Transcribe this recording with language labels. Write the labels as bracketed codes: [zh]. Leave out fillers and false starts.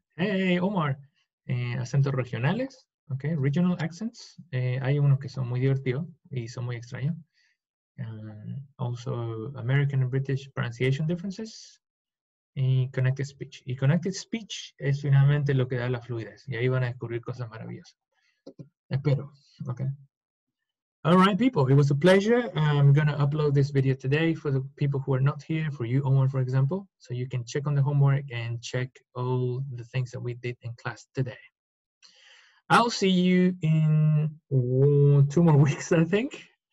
[es] Hey, Omar, acentos regionales, ok, [en] regional accents, [es] hay unos que son muy divertidos y son muy extraños. [en] Also, American and British pronunciation differences y connected speech. [es] Y connected speech es finalmente lo que da la fluidez y ahí van a descubrir cosas maravillosas. Espero, [en] ok. All right, people, it was a pleasure. I'm going to upload this video today for the people who are not here, for you, Omar, for example, so you can check on the homework and check all the things that we did in class today. I'll see you in 2 more weeks, I think.